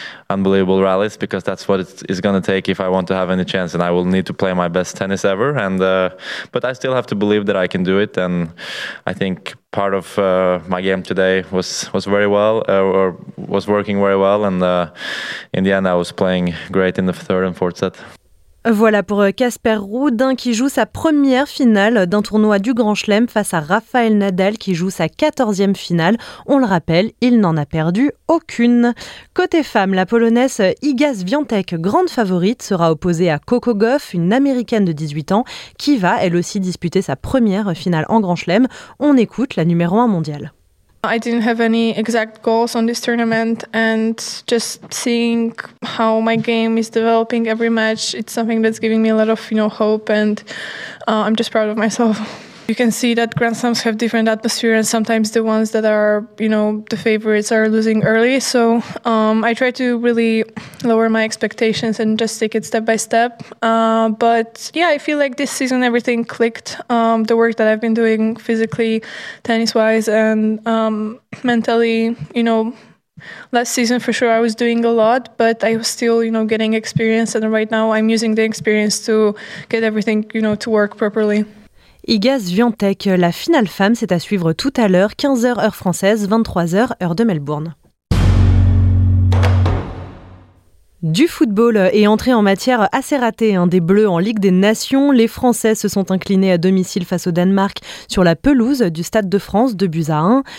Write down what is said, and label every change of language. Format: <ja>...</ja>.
<en>unbelievable rallies because that's what it's going to take if I want to have any chance, and I will need to play my best tennis ever. And but I still have to believe that I can do it. And I think part of my game today was very well, or was working very well. And in the end, I was playing great in the third and fourth set.</en> <fr>Voilà pour Casper Ruud qui joue sa première finale d'un tournoi du Grand Chelem face à Rafael Nadal qui joue sa 14e finale. On le rappelle, il n'en a perdu aucune. Côté femme, la Polonaise Iga Swiatek, grande favorite, sera opposée à Coco Gauff, une Américaine de 18 ans, qui va elle aussi disputer sa première finale en Grand Chelem. On écoute la numéro 1 mondiale.</fr> <en>I didn't have any exact goals on this tournament, and just seeing how my game is developing every match, it's something that's giving me a lot of, you know, hope, and I'm just proud of myself. You can see that Grand Slams have different atmosphere, and sometimes the ones that are, you know, the favorites are losing early. So I try to really lower my expectations and just take it step by step. But yeah, I feel like this season everything clicked. The work that I've been doing physically, tennis-wise, and mentally, you know, last season for sure I was doing a lot, but I was still, you know, getting experience. And right now I'm using the experience to get everything, you know, to work properly.</en> <fr>Iga Swiatek, la finale femme, c'est à suivre tout à l'heure, 15h heure française, 23h heure de Melbourne. Du football est entré en matière assez ratée, hein, des Bleus en Ligue des Nations. Les Français se sont inclinés à domicile face au Danemark sur la pelouse du Stade de France, 2-1.</fr>